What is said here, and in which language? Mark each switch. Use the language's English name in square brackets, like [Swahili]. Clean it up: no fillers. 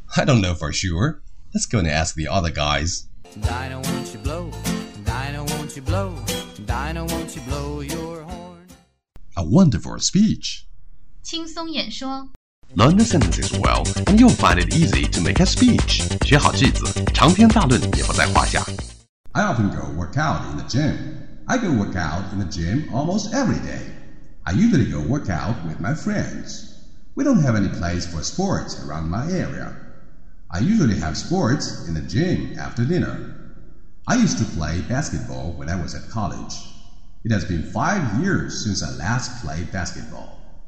[English] I don't know for sure. Let's go and ask the other guys. Dino, won't you blow? Dino, won't you blow? Dino, won't you blow your horn? A wonderful speech. [Chinese] 轻松演说 [English] Learn the sentences well, and you'll find it easy to make a speech. [Chinese] 学好句子，长篇大论也不在话下。 [English] I often go work out in the gym. I go work out in the gym almost every day. I usually go work out with my friends. We don't have any place for sports around my area. I usually have sports in the gym after dinner. I used to play basketball when I was at college. It has been 5 years since I last played basketball.